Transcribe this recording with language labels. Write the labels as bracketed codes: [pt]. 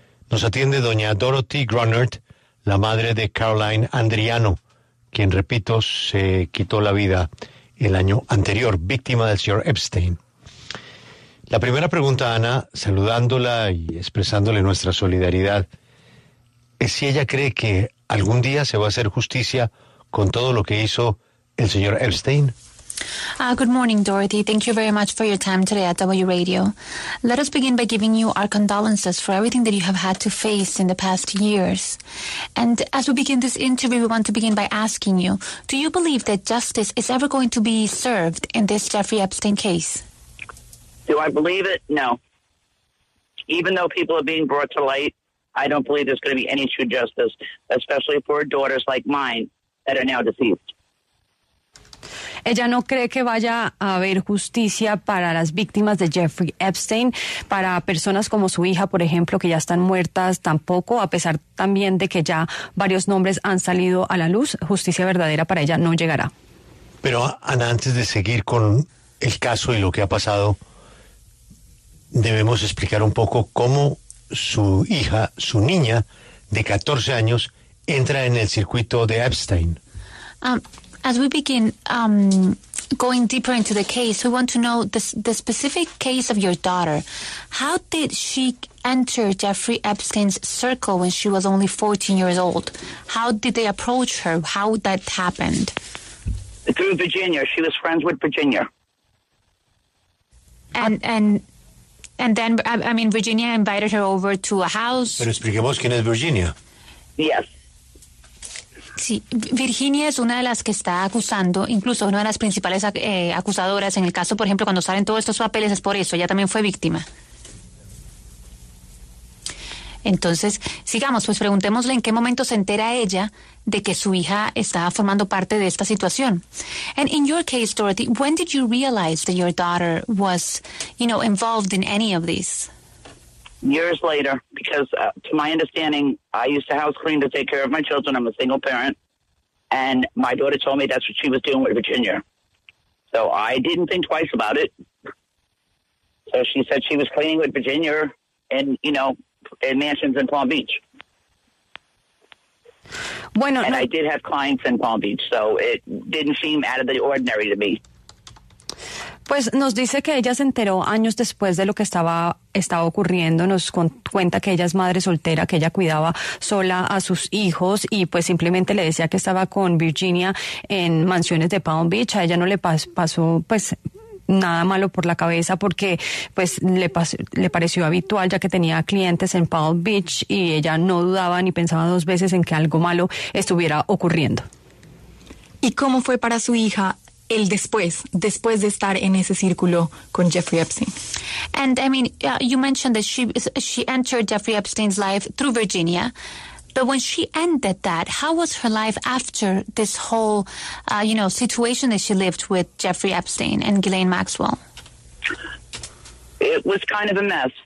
[es] Nos atiende doña Dorothy Groenert, la madre de Caroline Andriano, quien, repito, se quitó la vida el año anterior, víctima del señor Epstein. La primera pregunta, Ana, saludándola y expresándole nuestra solidaridad, es si ella cree que algún día se va a hacer justicia con todo lo que hizo el señor Epstein. [en] Good morning, Dorothy. Thank you very much for your time today at W Radio. Let us begin by giving you our condolences for everything that you have had to face in the past years. And as we begin this interview, we want to begin by asking you, do you believe that justice is ever going to be served in this Jeffrey Epstein case? Do I believe it? No. Even though people are being brought to light, I don't believe there's going to be any true justice, especially for daughters like mine that are now deceased. [es] Ella no cree que vaya a haber justicia para las víctimas de Jeffrey Epstein, para personas como su hija, por ejemplo, que ya están muertas, tampoco, a pesar también de que ya varios nombres han salido a la luz, justicia verdadera para ella no llegará. Pero, Ana, antes de seguir con el caso y lo que ha pasado, debemos explicar un poco cómo su hija, su niña de 14 años, entra en el circuito de Epstein. [en] As we begin going deeper into the case, we want to know the specific case of your daughter. How did she enter Jeffrey Epstein's circle when she was only 14 years old? How did they approach her? How that happened? Through Virginia. She was friends with Virginia. And then Virginia invited her over to a house. [es] Pero expliquemos quién es Virginia. [en] Yes. [es] Sí, Virginia es una de las que está acusando, incluso una de las principales acusadoras en el caso, por ejemplo, cuando salen todos estos papeles, es por eso, ella también fue víctima. Entonces, sigamos, pues preguntémosle en qué momento se entera ella de que su hija está formando parte de esta situación. [en] And in your case, Dorothy, when did you realize that your daughter was, you know, involved in any of this? Years later, because to my understanding, I used to house clean to take care of my children. I'm a single parent. And my daughter told me that's what she was doing with Virginia. So I didn't think twice about it. So she said she was cleaning with Virginia and, you know, in mansions in Palm Beach. [es] Bueno, [en] and I did have clients in Palm Beach, so it didn't seem out of the ordinary to me. [es] Pues nos dice que ella se enteró años después de lo que estaba ocurriendo. Nos cuenta que ella es madre soltera, que ella cuidaba sola a sus hijos y pues simplemente le decía que estaba con Virginia en mansiones de Palm Beach. A ella no le pasó pues nada malo por la cabeza porque pues le pareció habitual ya que tenía clientes en Palm Beach y ella no dudaba ni pensaba dos veces en que algo malo estuviera ocurriendo. ¿Y cómo fue para su hija el después de estar en ese círculo con Jeffrey Epstein? [en] And I mean, you mentioned that she entered Jeffrey Epstein's life through Virginia, but when she ended that, how was her life after this whole, you know, situation that she lived with Jeffrey Epstein and Ghislaine Maxwell? It was kind of a mess.